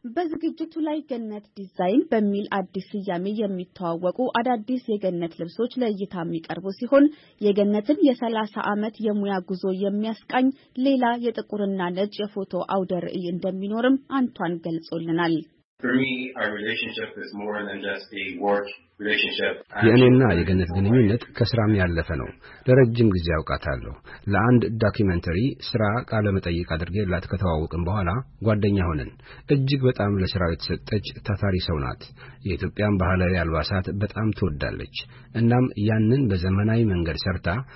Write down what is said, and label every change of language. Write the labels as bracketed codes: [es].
[am] በዝግጅቱ ላይ ገነት ዲዛይን በሚል አዲስ ያሚ የሚተዋወቁ አዳዲስ የገነት ልብሶች ለእይታ የሚቀርቡ ሲሆን የገነትን የ30 አመት የሙያ ጉዞ የሚያስቃኝ ሌላ የጥቁርና ነጭ የፎቶ አውደር እንደሚኖርም አንቷን ገልጾልናል። [en] For me, our relationship is more than just a work relationship. [am] የእኔና የገነት ግንኙነት ከስራም ያለፈ ነው። ለረጅም ጊዜ አውቃታለሁ። ለአንድ ዶክመንተሪ ስራ ቃለ መጠይቅ አድርጌላት ከተዋወቅን በኋላ ጓደኛ ሆነን። እጅግ በጣም ለስራው የተሰጠች ታታሪ ሰው ናት። የኢትዮጵያን ባህላዊ አልባሳት በጣም ትወዳለች። እናም ያንን በዘመናዊ መንገድ ሰርታ